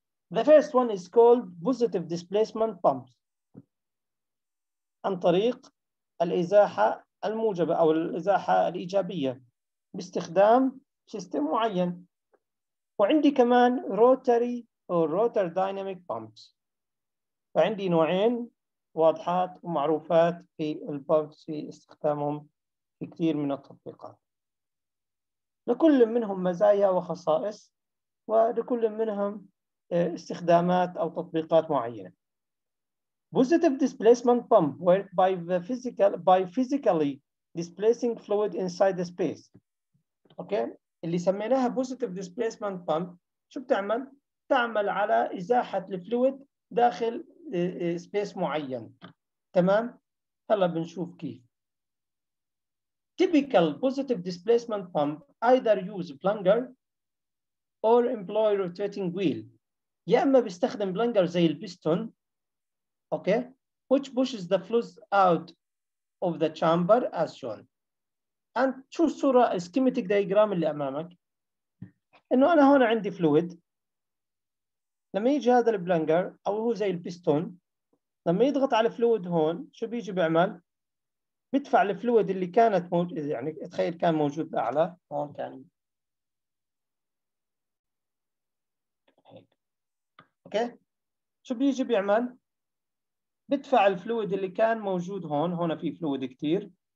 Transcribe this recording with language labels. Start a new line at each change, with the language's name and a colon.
English: The first one is called positive displacement pumps.
Arabic: عن طريق الإزاحة الموجبة أو الإزاحة الإيجابية باستخدام سيستم معين. وعندي كمان
English: rotary or rotor dynamic pumps.
Arabic: فعندي نوعين واضحات ومعروفات في البامبس في استخدامهم في كثير من التطبيقات. لكل منهم مزايا وخصائص ولكل منهم استخدامات أو تطبيقات معينة.
English: Positive displacement pump work by the physical by physically displacing fluid inside the space. Okay.
Arabic: اللي سميناها positive displacement pump شو بتعمل؟ تعمل على إزاحة الفلويد داخل space معين. تمام؟ هلا بنشوف كيف.
English: Typical positive displacement pump either use plunger or employ rotating wheel.
Arabic: يا اما بيستخدم بلنجر زي البيستون.
English: Okay. Which pushes the fluid out of the chamber as shown.
Arabic: And شو الصورة schematic diagram اللي أمامك؟ إنه أنا هون عندي fluid. لما يجي هذا البلنجر أو هو زي البيستون لما يضغط على fluid هون شو بيجي بيعمل؟ بيدفع الفلويد اللي كانت موجود يعني تخيل كان موجود أعلى هون كان أوكي شو بيجي بيعمل؟ بيدفع الفلويد اللي كان موجود هون هون في فلويد كتير